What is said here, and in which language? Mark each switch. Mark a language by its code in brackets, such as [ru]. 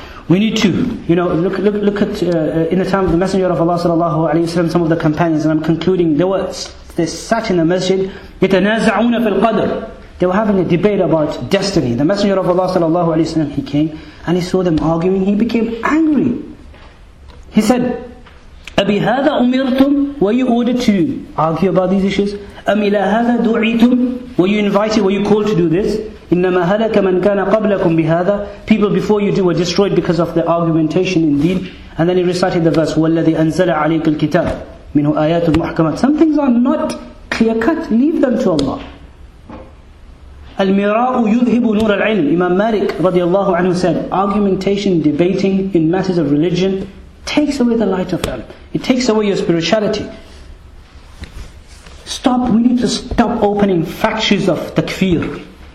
[en] We need to, you know, look at, in the time of the Messenger of Allah sallallahu alayhi wasallam, some of the companions, and I'm concluding, they sat in the masjid, [ar] يَتَنَازَعُونَ فِي الْقَدْرِ. [en] They were having a debate about destiny. The Messenger of Allah sallallahu alayhi wasallam, he came and he saw them arguing. He became angry. He said, [ar] أَبِي هَذَا أُمِرْتُمْ? [en] Were you ordered to argue about these issues? [ar] أَمْ إِلَى هَذَا دُعِيتُمْ? [en] Were you invited, were you called to do this? [ar] إِنَّمَا هَلَكَ مَنْ كَانَ قَبْلَكُمْ بِهَذَا? [en] People before you were destroyed because of the argumentation in deen. And then he recited the verse, [ar] وَالَّذِي أَنزَلَ عَلَيْكَ الْكِتَابِ مِنْهُ آيَاتُ الْمُحْكَمَةِ. [en] Some things are not clear cut. Leave them to Allah. [ar] Al-mira'u yudhibu nur al-ilm. [en] Imam Malik radiallahu anhu said, argumentation, debating in matters of religion takes away the light of ilm. It takes away your spirituality. Stop, we need to stop opening factories of takfir.